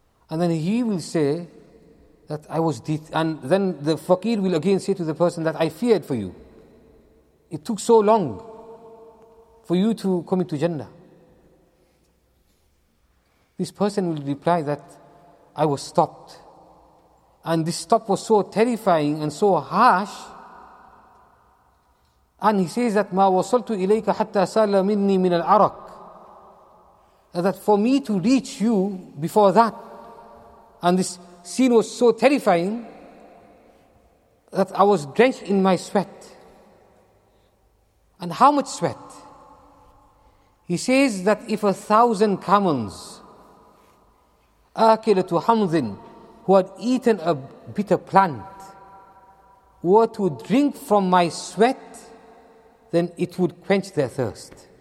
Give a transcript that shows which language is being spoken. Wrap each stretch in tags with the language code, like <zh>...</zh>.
<en>And then he will say that I was detained. And then the faqir will again say to the person that I feared for you. It took so long for you to come into Jannah. This person will reply that I was stopped. And this stop was so terrifying and so harsh. And he says that,</en> <ar>مَا وَصَلْتُ إِلَيْكَ حَتَّى سَالَ مِنِّي مِنَ الْعَرَقِ.</ar> <en>that for me to reach you before that, and this scene was so terrifying that I was drenched in my sweat. And how much sweat? He says that if 1,000 camels,</en> <ar>أَكِلَ تُحَمْذٍ,</ar> <en>who had eaten a bitter plant, were to drink from my sweat, then it would quench their thirst.</en>